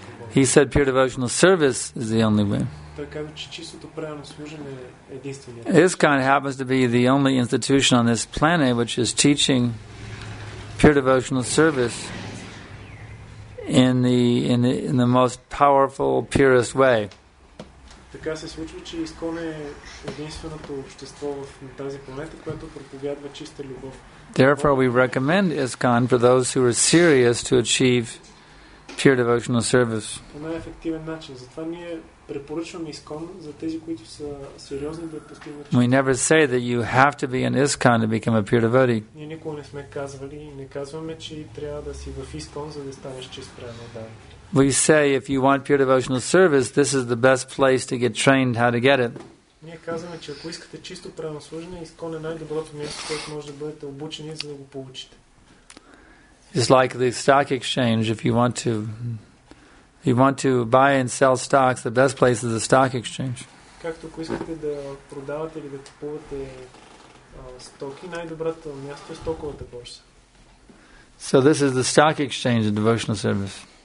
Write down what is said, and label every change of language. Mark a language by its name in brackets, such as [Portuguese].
[English] He said pure devotional service is the only way. ISKCON happens to be the only institution on this planet which is teaching pure devotional service in the most powerful, purest way. [Bulgarian] Така се случва, че ИСКОН е единственото общество на тази планета, което проповядва чиста любов. [English] Therefore, we recommend ISKCON for those who are serious to achieve pure devotional service. [Bulgarian] По най-ефективен начин. Затова ние препоръчваме ИСКОН за тези, които са сериозни да постигнат. [English] We never say that you have to be an ISKCON to become a pure devotee. [Bulgarian] Ние никога не сме казвали и не казваме, че трябва да си в ИСКОН, за да станеш чист правилно. Да. [English] We say, if you want pure devotional service, this is the best place to get trained how to get it. [Bulgarian] Ние казваме, че ако искате чисто правилно служене, ИСКОН е най-доброто място, което може да бъдете обучени, за да го получите. [English] It's like the stock exchange. If you want to buy and sell stocks, the best place is the stock exchange. [Bulgarian] Както ако искате да продавате или да купувате стоки, най-доброто място е стоковата борса. [English] So this is the stock exchange of devotional service.